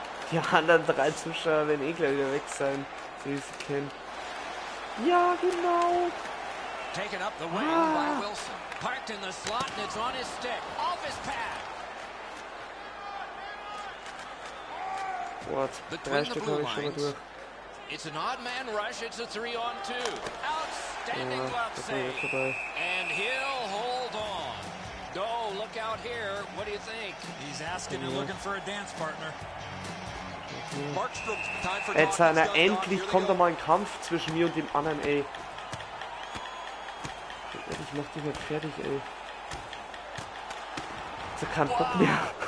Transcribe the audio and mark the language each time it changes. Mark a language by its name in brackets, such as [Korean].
[German] Die anderen drei Zuschauer werden eh gleich wieder weg sein, so wie sie kennen. Ja, genau! [English] Taken up the wing by Wilson. Parked in the slot and it's on his stick. Off his pad! What? [German] Drei Stück habe ich schon mal durch. [English] It's an odd man rush, it's a 3-on-2. Outstanding glove save. And he'll hold on. Go, look out here. What do you think? He's asking and looking for a dance partner. [German] Markstrom, [English] time for [German] jetzt einer, endlich kommt da mal ein Kampf zwischen mir und dem anderen, ey. Ich mach dich nicht fertig, ey. So kein Bock mehr.